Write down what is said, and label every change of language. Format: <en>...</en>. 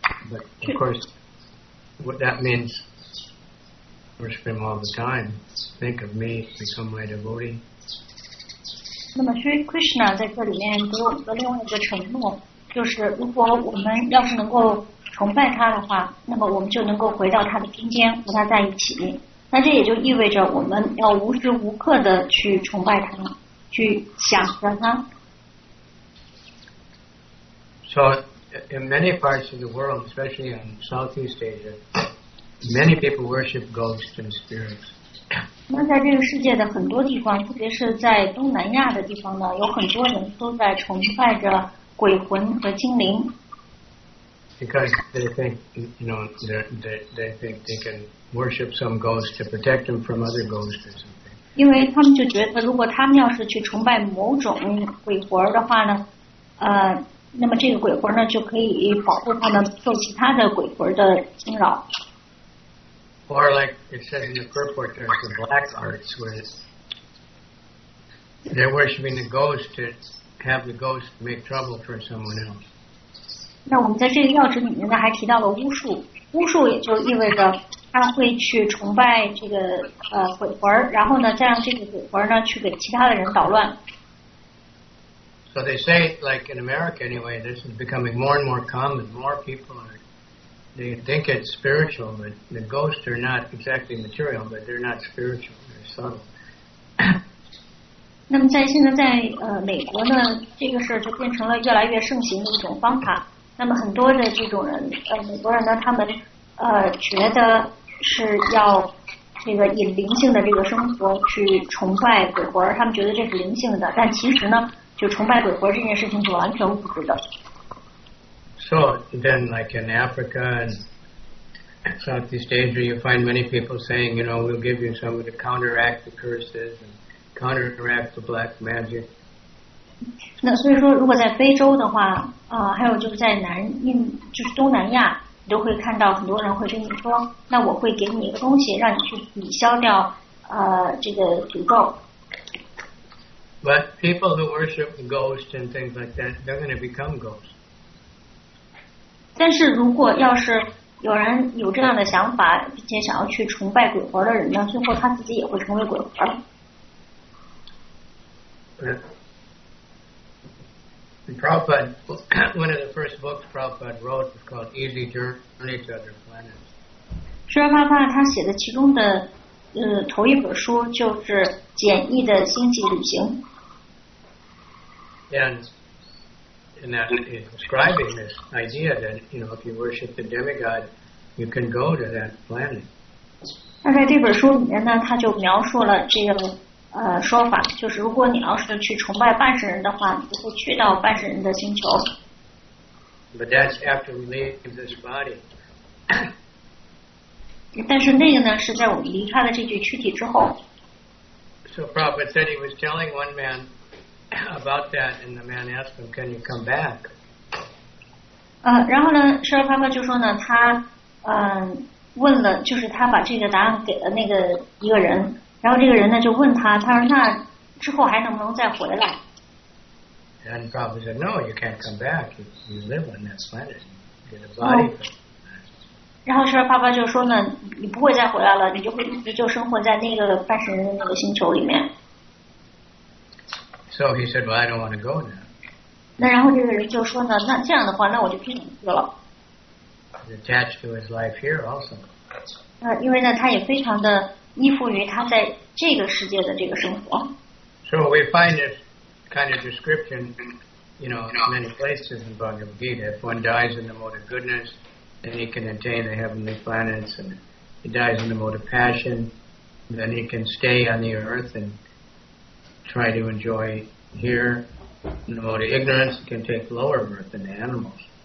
<en>But, of course, what that means, worship Him all the time. Think of me, become my devotee.</en> <zh>那么所以Krishna在这里面给我们的另外一个承诺，就是如果我们要是能够崇拜他的话，那么我们就能够回到他的身边，和他在一起。那这也就意味着我们要无时无刻的去崇拜他，去想着他。</zh> <en>So in many parts of the world, especially in Southeast Asia, many people worship ghosts and spirits.</en> <zh>那在这个世界的很多地方，特别是在东南亚的地方呢，有很多人都在崇拜着鬼魂和精灵。</zh> <en>Because they think, you know, they think they can worship some ghosts to protect them from other ghosts or something.</en> <zh>因为他们就觉得，如果他们要是去崇拜某种鬼魂的话呢，那么这个鬼魂呢就可以保护他们受其他的鬼魂的侵扰。</zh> <en>Or like it says in the purport, there's the black arts where they're worshiping the ghost to have the ghost make trouble for someone else.</en> <zh>那我们在这个要旨里面呢还提到了巫术，巫术也就意味着他会去崇拜这个鬼魂，然后呢再让这个鬼魂呢去给其他的人捣乱。</zh> <en>So they say, like in America anyway, this is becoming more and more common. More people are, they think it's spiritual, but the ghosts are not exactly material, but they're not spiritual, they're subtle.</en> <zh>那么在现在在美国呢，这个事就变成了越来越盛行的一种方法。那么很多的这种人，美国人呢，他们觉得是要这个以灵性的这个生活去崇拜鬼魂，他们觉得这是灵性的，但其实呢。就崇拜鬼魂这件事情是完全无知的。</zh> <en>So then, like in Africa and Southeast Asia, you find many people saying, you know, we'll give you some to counteract the curses and counteract the black magic.</en> <zh>那所以说，如果在非洲的话，还有就是在南印，就是东南亚，你都会看到很多人会跟你说，那我会给你一个东西，让你去抵消掉这个诅咒。</zh> <en>But people who worship ghosts and things like that, they're going to become ghosts.</en> <zh>但是如果要是有人有这样的想法，并且想要去崇拜鬼魂的人呢，最后他自己也会成为鬼魂。</zh> <en>Prabhupada, one of the first books Prabhupada wrote is called Easy Journey to Other Planets.</en> <zh>释迦牟尼佛他写的其中的头一本书就是《简易的星际旅行》。</zh> <en>And that is describing this idea that, you know, if you worship the demigod, you can go to that planet.</en> <zh>那在这本书里面呢，他就描述了这个说法，就是如果你要是去崇拜半神人的话，你会去到半神人的星球。</zh> <en>But that's after we leave this body.</en> <zh>但是那个呢，是在我们离开了这具躯体之后。</zh> <en>So Prabhupada said he was telling one man about that, and the man asked him, "Can you come back?"</en> <zh>然后呢，释迦牟尼佛就说呢，他问了，就是他把这个答案给了那个一个人，然后这个人呢就问他，他说那之后还能不能再回来</zh> <en>？And Prabhupada said, "No, you can't come back. You live on that planet, get a body."</en> <zh>然后释迦牟尼佛就说呢，你不会再回来了，你就会一直就生活在那个半神人的那个星球里面。</zh> <en>So he said, "Well, I don't want to go now."</en> <zh>那然后这个人就说呢，那这样的话，那我就不想去了。</zh> <en>He's attached to his life here also.</en> <zh>因为呢，他也非常的依附于他在这个世界的这个生活。</zh> <en>So we find this kind of description, you know, in many places in Bhagavad Gita. If one dies in the mode of goodness, then he can attain the heavenly planets, and if he dies in the mode of passion, then he can stay on the earth and try to enjoy here in the mode of ignorance can take lower birth than the animals.</en>